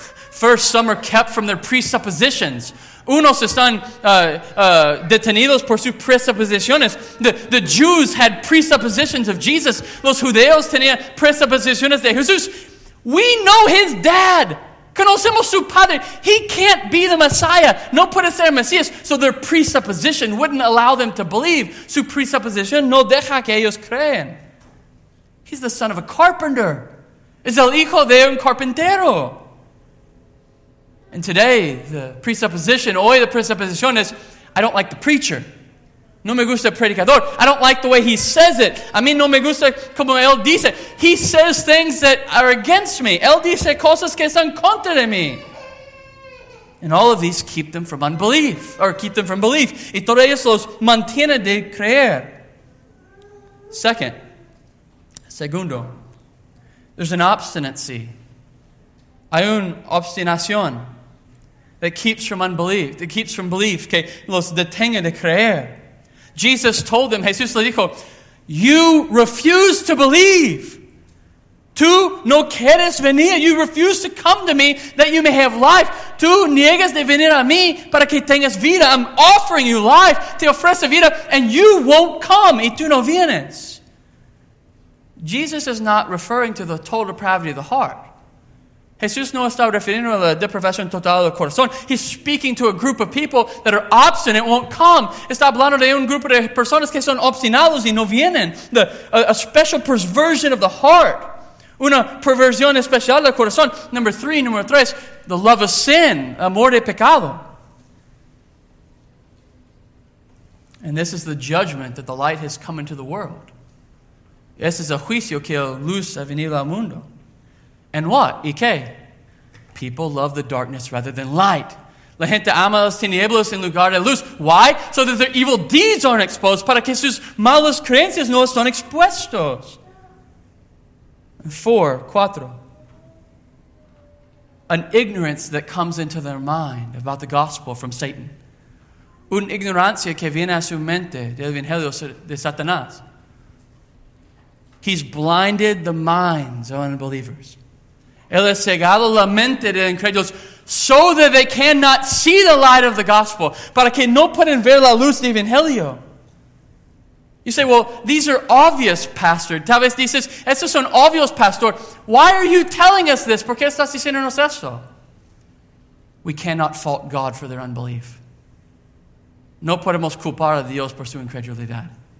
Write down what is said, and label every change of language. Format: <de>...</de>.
<en>First, some are kept from their presuppositions.</en> <es>Unos están detenidos por sus presuposiciones.</es> <en>The Jews had presuppositions of Jesus.</en> <es>Los judeos tenían presuposiciones de Jesús.</es> <en>We know his dad.</en> <es>Conocemos su padre.</es> <en>He can't be the Messiah.</en> <es>No puede ser Mesías.</es> <en>So their presupposition wouldn't allow them to believe.</en> <es>Su presupposition no deja que ellos creen.</es> <en>He's the son of a carpenter.</en> <es>Es el hijo de un carpintero.</es> <en>And today, hoy the presupposition is, I don't like the preacher.</en> <es>No me gusta el predicador.</es> <en>I don't like the way he says it.</en> <es>A mí no me gusta como él dice.</es> <en>He says things that are against me.</en> <es>Él dice cosas que están contra de mí.</es> <en>And all of these keep them from unbelief, or keep them from belief.</en> <es>Y todos ellos los mantiene de creer.</es> <en>Segundo, there's an obstinacy.</en> <es>Hay una obstinación</es> <en>that keeps from unbelief, that keeps from belief,</en> <es>que los detenga de creer.</es> <en>Jesus told them,</en> <es>Jesús le dijo,</es> <en>you refuse to believe.</en> <es>Tú no quieres venir.</es> <en>You refuse to come to me that you may have life.</en> <es>Tú niegas de venir a mí para que tengas vida.</es> <en>I'm offering you life.</en> <es>Te ofrezco vida.</es> <en>And you won't come.</en> <es>Y tú no vienes.</es> <en>Jesus is not referring to the total depravity of the heart.</en> <es>Jesús no está refiriendo a la depravación total del corazón.</es> <en>He's speaking to a group of people that are obstinate, won't come.</en> <es>Está hablando de un grupo de personas que son obstinados y no vienen.</es> <en>A special perversion of the heart.</en> <es>Una perversión especial del corazón. Número tres,</es> <en>the love of sin,</en> <es>amor de pecado.</es> <en>And this is the judgment that the light has come into the world.</en> <es>Ese es el juicio que la luz ha venido al mundo.</es> <en>And what?</en> <es>¿Y qué?</es> <en>People love the darkness rather than light.</en> <es>La gente ama las tinieblas en lugar de luz.</es> <en>Why? So that their evil deeds aren't exposed.</en> <es>Para que sus malas creencias no están expuestos. Cuatro.</es> <en>An ignorance that comes into their mind about the gospel from Satan.</en> <es>Una ignorancia que viene a su mente del evangelio de Satanás.</es> <en>He's blinded the minds of unbelievers.</en> <es>Él ha cegado la mente de incrédulos</es> <en>so that they cannot see the light of the gospel.</en> <es>Para que no puedan ver la luz del evangelio.</es> <en>You say, well, these are obvious, pastor.</en> <es>Tal vez dices, estos son obvios, pastor.</es> <en>Why are you telling us this?</en> <es>¿Por qué estás diciéndonos esto?</es> <en>We cannot fault God for their unbelief.</en> <es>No podemos culpar a Dios por su incredulidad.</es>